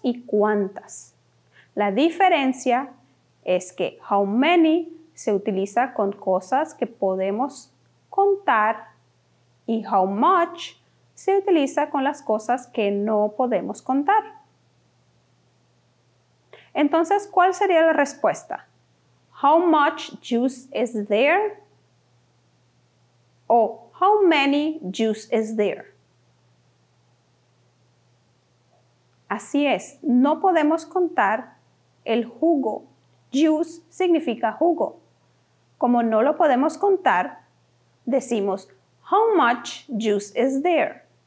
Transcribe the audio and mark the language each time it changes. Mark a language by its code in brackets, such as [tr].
[es] Y ¿cuántas? La diferencia es que how many se utiliza con cosas que podemos contar y how much se utiliza con las cosas que no podemos contar. Entonces, ¿cuál sería la respuesta? [en] How much juice is there? O how many juice is there? [es] Así es, no podemos contar el jugo. Juice significa jugo. Como no lo podemos contar, decimos [en] how much juice is there?